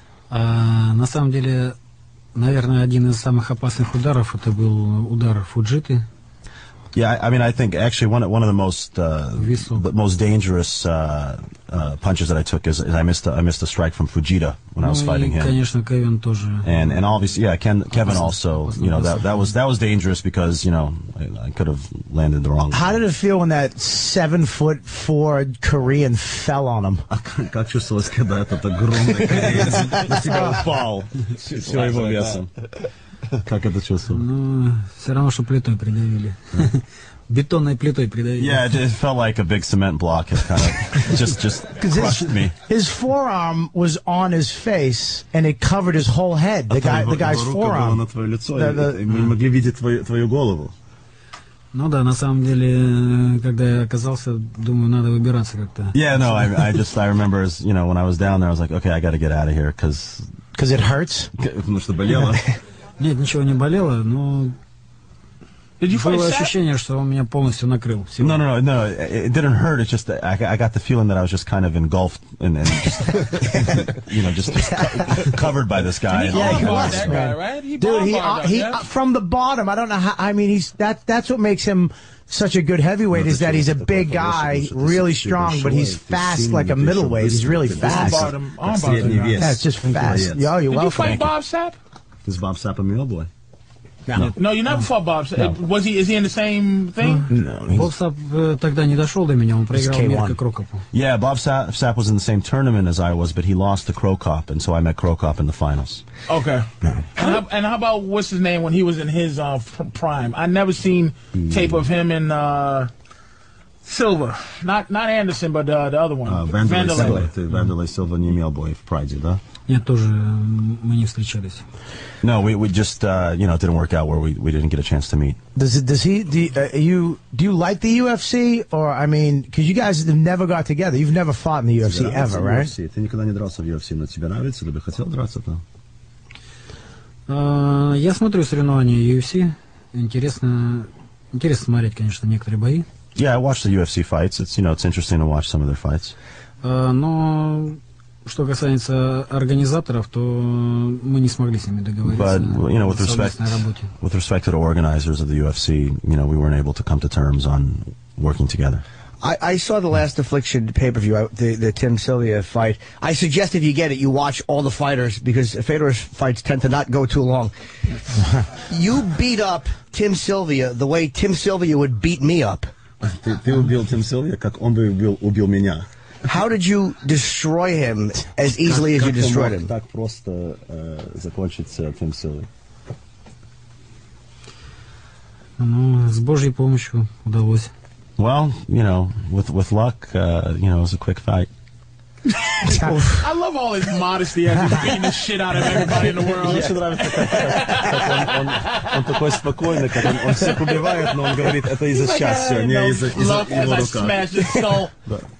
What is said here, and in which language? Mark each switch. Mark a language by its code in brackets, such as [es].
[ru] На самом деле, наверное, один из самых опасных ударов это был удар Фуджиты. [en] Yeah, I mean, I think actually one of the most most dangerous punches that I took is I missed a strike from Fujita when I was fighting him. [ru] Конечно, Кевин тоже. [en] And obviously, yeah, Kevin also, you know, that was dangerous because, you know, I could have landed the wrong. How did it feel when that 7'4" Korean fell on him? [ru] Как чувствовалось, когда этот огромный кореец на тебя упал? Всё его весом. Как это чувствовал? Ну, все равно, что плитой придавили. Бетонной плитой придавили. [en] Yeah, it felt like a big cement block. It kind of just crushed me. His forearm was on his face, and it covered his whole head. The guy's forearm. [ru] Его рука была на твое лицо, мы могли видеть твою голову. Ну да, на самом деле, когда я оказался, думаю, надо выбираться как-то. [en] Yeah, no, I remember, as, you know, when I was down there, I was like, okay, I got to get out of here, because it hurts? [ru] Потому что болело. Нет, ничего не болело, но было ощущение, что он меня полностью накрыл. [en] No, it didn't hurt. It's just I got the feeling that I was just kind of engulfed and you know, just covered by this guy. Yeah, he was, man. Right? He from the bottom. I don't know how. I mean, that's what makes him such a good heavyweight is that he's a big guy, really strong, but he's fast like a middleweight. He's really fast. Armbar. Yeah, it's just fast. Yo, you're welcome. Did you fight Bob Sapp? Is Bob Sapp a mule boy? No, you never fought Bob Sapp. No. Was he? Is he in the same thing? [ru] No. Bob Sapp тогда не дошел до меня. Он проиграл Мирка Крокопу. [en] Yeah, Bob Sapp was in the same tournament as I was, but he lost to Krokop, and so I met Krokop in the finals. Okay. No. And how about what's his name when he was in his prime? I never seen tape of him in Silva. Not Anderson, but the other one. [ru] Vanderlei Silva, не мил бой в прайде, да? Я тоже, мы не встречались. [en] No, we just, you know, it didn't work out where we didn't get a chance to meet. Do you like the UFC? Or, I mean, because you guys have never got together. You've never fought in the UFC ever, right? [ru] Ты никогда не дрался в UFC, но тебе нравится, ты бы хотел драться там? Я смотрю соревнования UFC. Интересно смотреть, конечно, некоторые бои. [en] Yeah, I watch the UFC fights. It's, you know, it's interesting to watch some of their fights. [ru] Но что касается организаторов, то мы не смогли с ними договориться. [en] But, you know, with respect to the organizers of the UFC, you know, we weren't able to come to terms on working together. I saw the last Affliction pay-per-view, the Tim Sylvia fight. I suggest if you get it, you watch all the fighters, because Fedor's fights tend to not go too long. You beat up Tim Sylvia the way Tim Sylvia would beat me up. [ru] Ты убил Тим Сильвия, как он бы убил меня. [en] How did you destroy him as easily as you destroyed him? [ru] Так просто закончить Тим Сильвия. Ну, с Божьей помощью удалось. [en] Well, you know, with luck, you know, it was a quick fight. I love all his modesty as he's beating the shit out of everybody in the world. [ru] Мне нравится, как он такой спокойный, как он всех убивает, но он говорит, это из-за счастья, не из-за его рука.